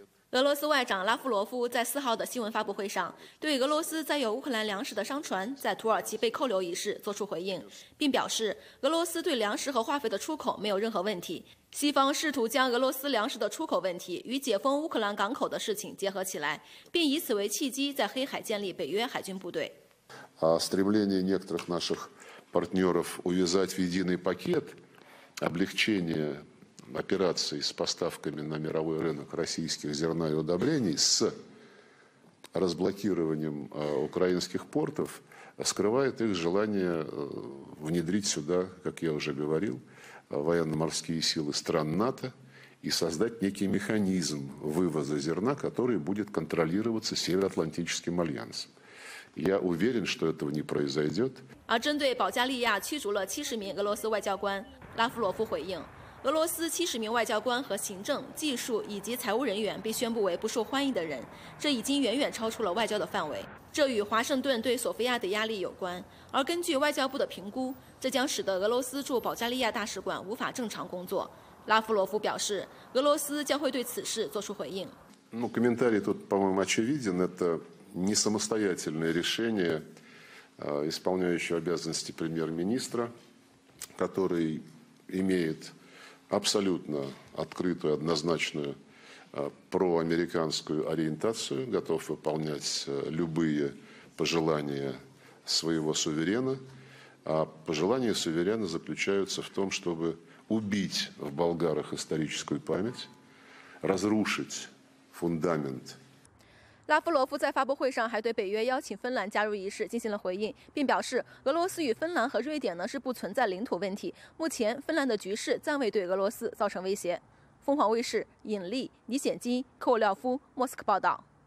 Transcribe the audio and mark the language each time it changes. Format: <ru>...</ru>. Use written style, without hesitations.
<zh>俄罗斯外长拉夫罗夫在4号的新闻发布会上，对俄罗斯载有乌克兰粮食的商船在土耳其被扣留一事作出回应，并表示俄罗斯对粮食和化肥的出口没有任何问题。西方试图将俄罗斯粮食的出口问题与解封乌克兰港口的事情结合起来，并以此为契机在黑海建立北约海军部队。</zh> <ru>Стремление некоторых наших партнеров увязать в единый пакет облегчение операций с поставками на мировой рынок российских зерна и удобрений с разблокированием украинских портов скрывает их желание внедрить сюда, как я уже говорил, военно-морские силы стран НАТО и создать некий механизм вывоза зерна, который будет контролироваться Североатлантическим альянсом. Я уверен, что этого не произойдет.</ru> <zh>而针对保加利亚驱逐了70名俄罗斯外交官，拉夫罗夫回应，俄罗斯70名外交官和行政、技术以及财务人员被宣布为不受欢迎的人，这已经远远超出了外交的范围。这与华盛顿对索菲亚的压力有关，而根据外交部的评估，这将使得俄罗斯驻保加利亚大使馆无法正常工作。拉夫罗夫表示，俄罗斯将会对此事做出回应。</zh> <ru>Ну, комментарий тут, по-моему, очевиден. Это не самостоятельное решение исполняющего обязанности премьер-министра, который имеет абсолютно открытую, однозначную проамериканскую ориентацию, готов выполнять любые пожелания своего суверена. А пожелания суверена заключаются в том, чтобы убить в болгарах историческую память, разрушить фундамент.</ru> <zh>拉夫罗夫在发布会上还对北约邀请芬兰加入仪式进行了回应，并表示俄罗斯与芬兰和瑞典呢是不存在领土问题，目前芬兰的局势暂未对俄罗斯造成威胁。凤凰卫视尹丽、李显金、科沃廖夫、莫斯科报道。</zh>